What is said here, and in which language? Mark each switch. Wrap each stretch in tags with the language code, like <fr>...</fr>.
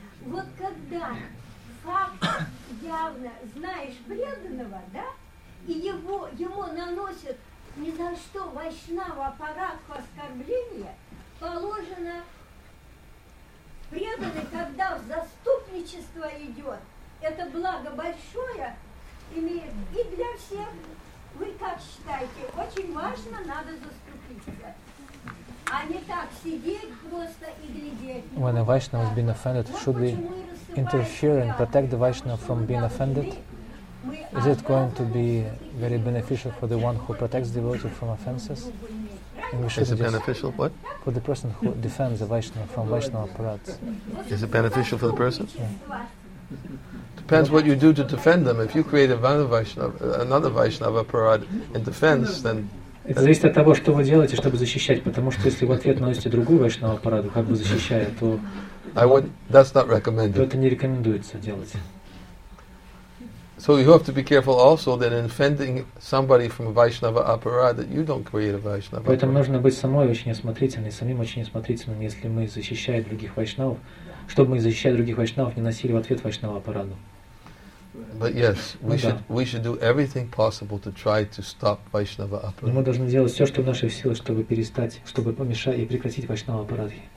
<ru>Вот когда факт явно знаешь преданного, да, и ему наносят ни за что вайшнава аппаратку оскорбления, положено преданный, когда в заступничество идет, это благо большое имеет и для всех. Вы как считаете, очень важно, надо заступиться, а не так сидеть просто и глядеть.</ru> <en>When a Vaishnava has been offended, should we interfere and protect the Vaishnava from being offended? Is it going to be very beneficial for the one who protects the devotee from offenses? Is it beneficial what? For the person who defends the Vaishnava from Vaishnava parats. Is it beneficial for the person? Yeah. Depends what you do to defend them. If you create another Vaishnava parat in defense, then...</en> <ru>Это зависит от того, что вы делаете, чтобы защищать, потому что если в ответ наносите другую Вайшнава параду, как бы защищая, то...</ru> <en>That's not recommended.</en> <ru>Это не рекомендуется делать.</ru> <en>So you have to be careful also that in offending somebody from a Vaishnava apparat that you don't create a Vaishnava.</en> <ru>Поэтому нужно быть самой очень осмотрительным, самим очень осмотрительным, если мы защищаем других вайшнавов, чтобы мы защищая других вайшнавов не носили в ответ вайшнава аппарату.</ru> <en>But yes, we should do everything possible to try to stop Vaishnava apparat.</en> <ru>Мы должны делать все, что в наших силах, чтобы перестать, чтобы помешать и прекратить вайшнава аппарат.</ru>